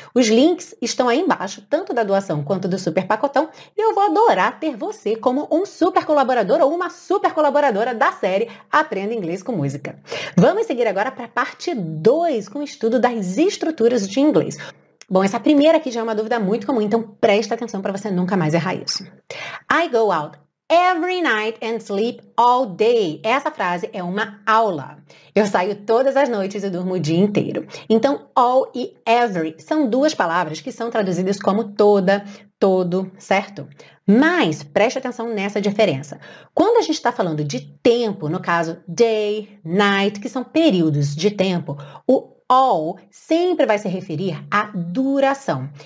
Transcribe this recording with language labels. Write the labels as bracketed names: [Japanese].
[Portuguese] Os links estão aí embaixo, tanto da doação quanto do Super Pacotão, e eu vou adorar ter você como um super colaborador ou uma super colaboradora da série Aprenda Inglês com Música. Vamos seguir agora para a parte 2, com o estudo das estruturas de inglês. Bom, essa primeira aqui já é uma dúvida muito comum, então presta atenção para você nunca mais errar isso. [English] I go out every night and sleep all day. [Portuguese] Essa frase é uma aula. Eu saio todas as noites e durmo o dia inteiro. Então, all e every são duas palavras que são traduzidas como toda, todo, certo? Mas, preste atenção nessa diferença. Quando a gente está falando de tempo, no caso, day, night, que são períodos de tempo, o all sempre vai se referir à duração.